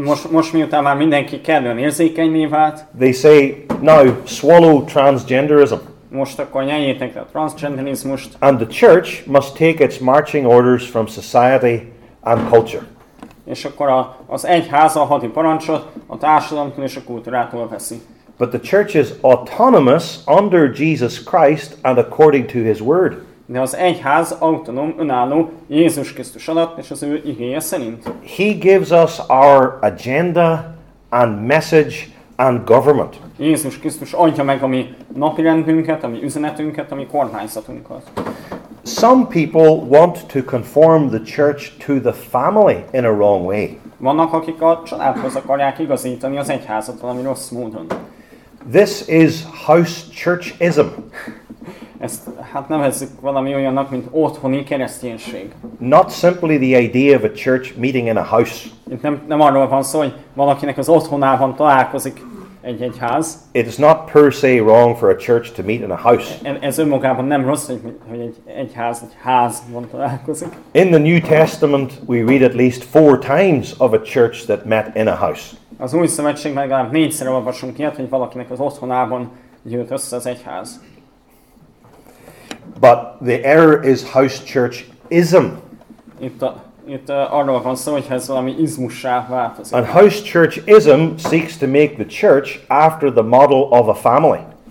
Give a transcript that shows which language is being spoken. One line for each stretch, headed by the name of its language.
Hungarian: Most miután már mindenki kellően érzékenyé vált.
English: They say now swallow transgenderism.
Hungarian: most akkor nyeljétek a transzgenderizmust.
English: And the church must take its marching orders from society and culture.
Hungarian: És akkor az egyház a hati parancsot a társadalomtól és a kultúrától veszi.
English: But the church is autonomous under Jesus Christ and according to his word.
Hungarian: De az egyház autonóm, önálló Jézus Krisztus alatt és az ő igéje szerint.
English: He gives us our agenda and message and government.
Hungarian: Jézus Krisztus adja meg a mi napirendünket, a mi üzenetünket, a mi kormányzatunkat.
English: Some people want to conform the church to the family in a wrong way.
Hungarian: Vannak, akik a családhoz akarják igazítani az egyházat valami rossz módon.
English: This is house churchism.
Hungarian: Ezt hát nevezzük valami olyannak, mint otthoni kereszténység.
English: Not simply the idea of a church meeting in a house.
Hungarian: Itt nem arról van szó, hogy valakinek az otthonában találkozik egy egyház.
English: It is not per se wrong for a church to meet in a house.
Hungarian: Ez önmagában nem rossz, hogy egy egyház egy házban találkozik.
English: In the New Testament we read at least 4 times of a church that met in a house.
Hungarian: Az Új Szövetségben legalább 4-szer olvasunk ilyet, hogy valakinek az otthonában gyűlt össze az egyház.
English: But the error is house churchism.
Hungarian: Itt arról van szó, hogy ez valami izmussá változik.
English: And house churchism seeks to make the church after the model of a family.